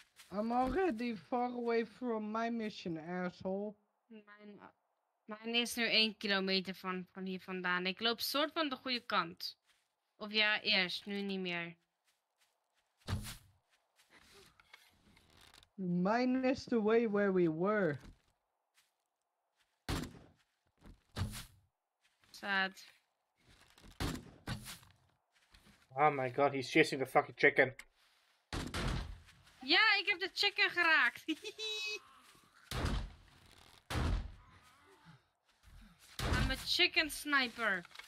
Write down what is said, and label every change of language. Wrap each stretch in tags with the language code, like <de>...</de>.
<en>I'm already far away from my mission, asshole.</en> <nl>Mijn is nu 1 kilometer van hier vandaan. Ik loop soort van de goede kant. Of ja, eerst, nu niet meer.</nl> <en>Mine is the way where we were. Sad. Oh my god, he's chasing the fucking chicken.</en> <nl>Ja, ik heb de chicken geraakt.</nl> <en>I'm a chicken sniper.</en>